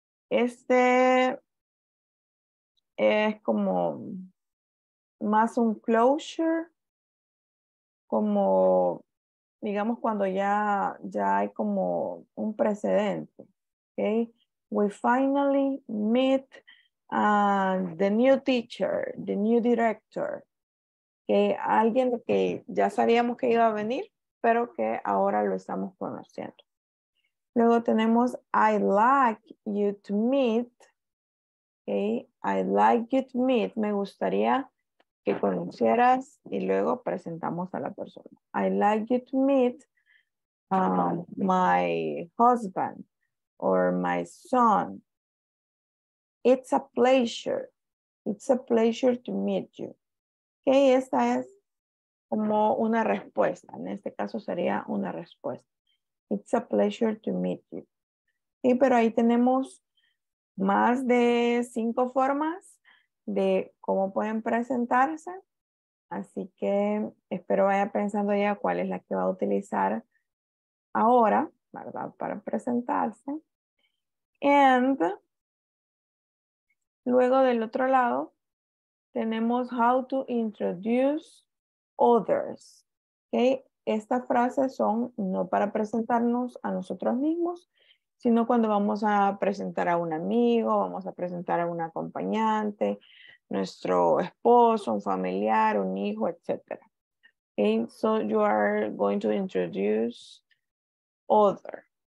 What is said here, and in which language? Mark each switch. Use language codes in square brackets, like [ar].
[es] Este es como más un closure, como digamos cuando ya hay como un precedente. Okay. [en] We finally meet the new teacher, the new director. Okay. [es] Alguien que ya sabíamos que iba a venir, pero que ahora lo estamos conociendo. Luego tenemos [en] I'd like you to meet. Okay. I'd like you to meet. [es] Me gustaría que conocieras y luego presentamos a la persona. [en] I'd like you to meet my husband or my son. It's a pleasure. It's a pleasure to meet you. [es] Okay, esta es como una respuesta. En este caso sería una respuesta. [en] It's a pleasure to meet you. [es] Okay, pero ahí tenemos más de 5 formas de cómo pueden presentarse. Así que espero vaya pensando ya cuál es la que va a utilizar ahora, ¿verdad? Para presentarse. And luego del otro lado tenemos [en] how to introduce others. [es] ¿Okay? Estas frases son no para presentarnos a nosotros mismos, sino cuando vamos a presentar a un amigo, vamos a presentar a un acompañante, nuestro esposo, un familiar, un hijo, etc. [en] Okay, so you are going to introduce other.